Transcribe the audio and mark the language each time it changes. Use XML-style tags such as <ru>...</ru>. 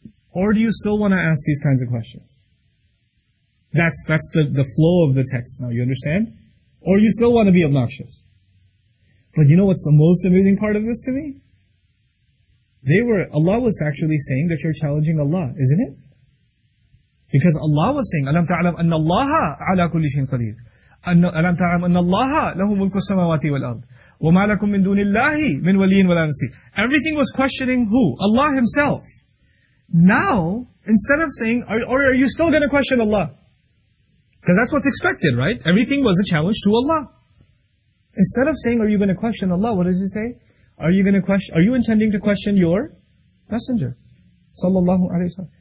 <en>Or do you still want to ask these kinds of questions? That's the flow of the text now, you understand? Or you still want to be obnoxious? But you know what's the most amazing part of this to me? Allah was actually saying that you're challenging Allah, isn't it? Because Allah was saying,</en> <ar>أَلَمْ تَعْلَمْ أَنَّ اللَّهَ عَلَى كُلِّ شَيْءٍ قَدِيرٌ أَلَمْ تَعْلَمْ أَنَّ اللَّهَ لَهُ مُلْكُ السَّمَاوَاتِ وَالْأَرْضِ وَمَا لَكُمْ مِنْ دُونِ اللَّهِ مِنْ وَلِيٍّ وَلَا نَصِيرٍ.</ar> <en>Everything was questioning who? Allah Himself. Now, instead of saying, are you still going to question Allah? Because that's what's expected, right? Everything was a challenge to Allah. Instead of saying, are you going to question Allah, what does he say? Are you intending to question your messenger? Sallallahu alayhi wa sallam.</en>